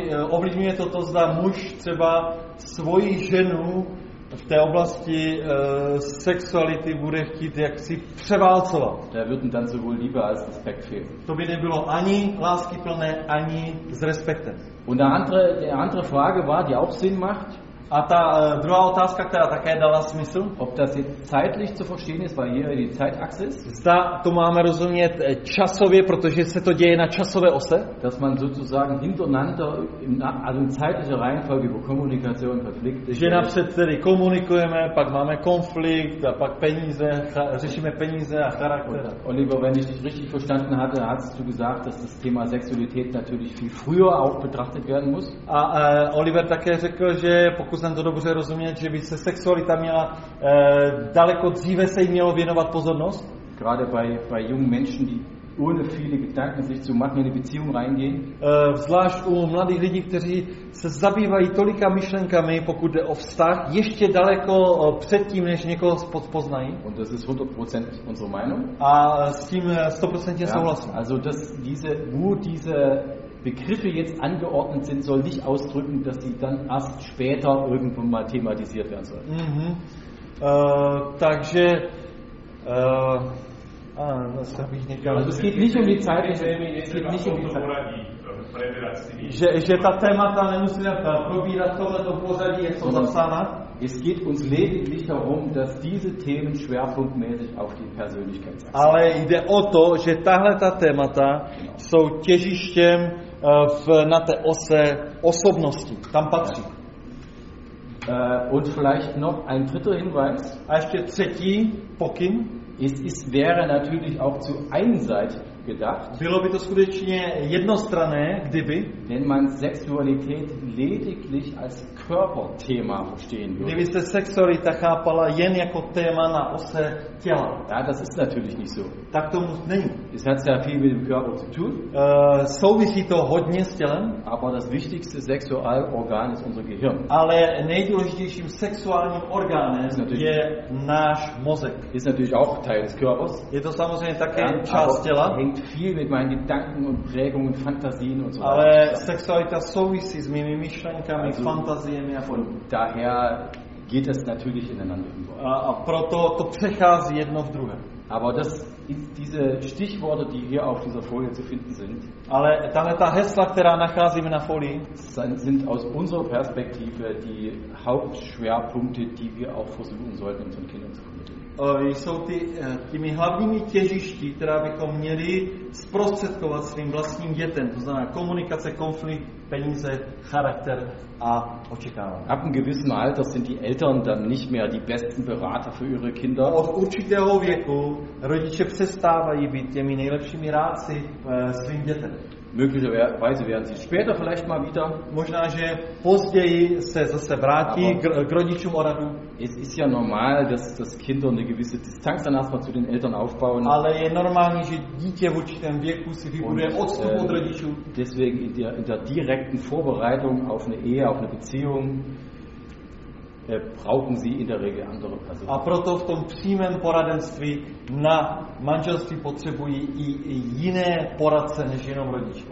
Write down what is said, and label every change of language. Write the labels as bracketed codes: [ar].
[cs] ovlivňuje to to, zda muž třeba svoji ženu v té oblasti sexuality bude chtít jaksi převálcovat. [de] Da würden dann sowohl Liebe als Respekt fehlen. [cs] To by nebylo ani láskyplné, ani s respektem. [de] Und der andere Frage war, die auch Sinn macht. [cs] A ta druhá otázka, která také dala smysl, [de] ob das jetzt zeitlich zu verstehen ist, weil hier die Zeitachse ist. [cs] Zda to máme rozumět časově, protože se to děje na časové ose, [de] dass man sozusagen hintereinander in also in zeitlicher Reihenfolge über Kommunikation und Konflikt. [cs] Že napřed tedy komunikujeme, pak máme konflikt a pak peníze, řešíme peníze a charakter. [de] Oliver, wenn ich dich richtig verstanden hatte, hast du gesagt, dass das Thema Sexualität natürlich viel früher auch betrachtet werden muss. [cs] A Oliver také řekl, že pokud jsem to dobře rozumět, že by se sexualita měla daleko dříve se jí mělo věnovat pozornost. [de] Gerade bei jungen Menschen, die ohne viele Gedanken sich zu machen in die Beziehung reingehen. [cs] Zvlášť u mladých lidí, kteří se zabývají tolika myšlenkami, pokud jde o vztah, ještě daleko předtím, než někoho poznají. [de] Und das ist 100% unsere Meinung. [cs] A s tím 100% souhlasím. [de] Also dass diese Wut, diese Begriffe jetzt angeordnet sind, soll nicht ausdrücken, dass die dann erst später irgendwann mal thematisiert werden sollen. Mhm. [cs] Takže [de] das habe ich nicht ganz. Also es geht nicht um die Zeit, es geht nicht um die Zeit. [cs] Že ta témata nemusí probírat tohleto pořadí, jak jsou zapsána. [de] Es geht uns lediglich darum, dass diese Themen schwerpunktmäßig auf die Persönlichkeit setzen. [cs] Ale jde o to, že tahle ta témata jsou těžištěm na té ose osobnosti. Tam patří. [de] Und vielleicht noch ein dritter Hinweis. [cs] A ještě třetí pokyn. [de] Es wäre natürlich auch zu einseitig gedacht. [cs] Bylo by to skutečně jednostranné, kdyby, [de] wenn man Sexualität lediglich als Körperthema verstehen würde. [cs] Kdyby se sexualita chápala jen jako téma na ose těla. [de] Ja, das ist natürlich nicht so. [cs] Tak to není. [de] Es hat sehr viel mit dem Körper zu tun. [cs] Souvisí to hodně s tělem. [de] Aber das wichtigste Sexualorgan ist unser Gehirn. [cs] Ale nejdůležitějším sexuálním orgánem je náš mozek. [de] Ist natürlich auch Teil des Körpers. [cs] Je to samozřejmě také část těla. [de] Hängt viel mit meinen Gedanken und Prägungen, Fantasien und so weiter. [cs] Ale sexualita souvisí s mými myšlenkami, fantaziemi a [de] von daher geht es natürlich ineinander über. [cs] A proto to přechází jedno v druhé. [de] Aber das diese Stichworte, die hier auf dieser Folie zu finden sind. [cs] Ale tahle ta hesla, která nacházíme na folii, [de] sind aus unserer Perspektive die Hauptschwerpunkte, die wir auch versuchen sollten, unseren Kindern zu vermitteln. [cs] Jsou těmi hlavními těžišti, která bychom měli zprostředkovat svým vlastním dětem. To znamená komunikace, konflikt, peníze, charakter a očekávání. [de] Ab einem gewissen Alter sind die Eltern dann nicht mehr die besten Berater für ihre Kinder. [cs] Od určitého věku rodiče přestávají být těmi nejlepšími rádci svým dětem. [de] Möglicherweise werden sie später vielleicht mal wieder. [cs] Možná, že později se zase vrátí k rodičům o radu. [de] Es ist ja normal, dass Kinder eine gewisse Distanz dann erstmal zu den Eltern aufbauen. [cs] Ale je normální, že dítě v určitém věku si vybuduje odstup od rodičů. [de] Deswegen in der direkten Vorbereitung auf eine Ehe, auf eine Beziehung, brauchen sie in der Regel andere Personen. [cs] A proto v tom přímém poradenství na manželství potřebují i jiné poradce než jenom rodiče.